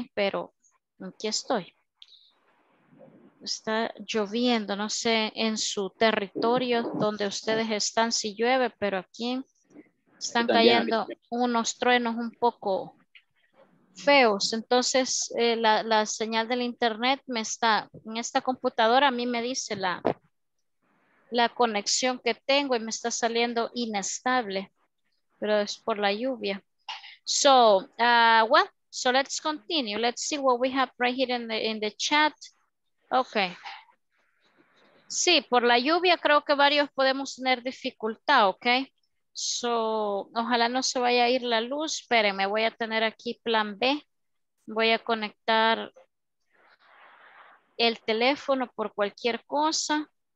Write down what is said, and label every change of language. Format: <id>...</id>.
<es>Pero aquí estoy. Está lloviendo, no sé en su territorio donde ustedes están si llueve, pero aquí están cayendo unos truenos un poco feos. Entonces la señal del internet me está, en esta computadora a mí me dice la conexión que tengo y me está saliendo inestable, pero es por la lluvia.</es> <en>So, well, so let's continue. Let's see what we have right here in the chat. Okay.</en> <es>Sí, por la lluvia creo que varios podemos tener dificultad, okay? So, ojalá no se vaya a ir la luz, pero me voy a tener aquí plan B. Voy a conectar el teléfono por cualquier cosa.</es>